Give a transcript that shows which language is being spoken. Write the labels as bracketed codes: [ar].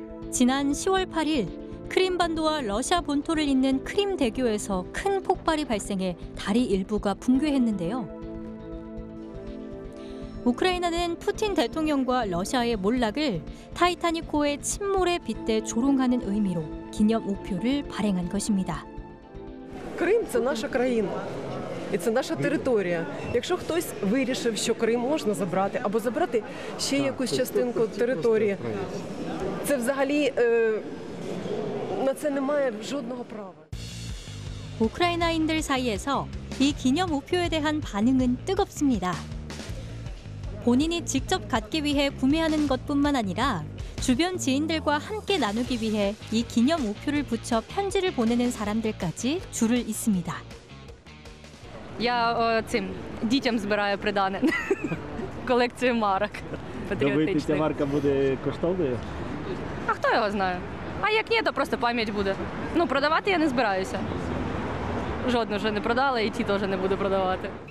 [ko] 지난 10월 8일 크림반도와 러시아 본토를 잇는 크림대교에서 큰 폭발이 발생해 다리 일부가 붕괴했는데요. 우크라이나는 푸틴 대통령과 러시아의 몰락을 타이타닉호의 침몰에 빗대 조롱하는 의미로 기념 우표를 발행한 것입니다. 크림, 이건 나의 나라입니다. [uk] І це наша територія. Якщо хтось вирішив, що Крим можна забрати, або забрати ще якусь частинку території, це взагалі на це немає жодного права. [ko] Українці들 사이에서 이 기념 우표에 대한 반응은 뜨겁습니다. 본인이 직접 갖기 위해 구매하는 것뿐만 아니라 주변 지인들과 함께 나누기 위해 이 기념 우표를 붙여 편지를 보내는 사람들까지 줄을 잇습니다. [uk] Я цим дітям збираю придане колекцію марок патріотичних. Ця марка буде коштовною? А хто його знає? А як ні, то просто пам'ять буде. Ну, продавати я не збираюся. Жодну вже не продала і ті теж не буду продавати.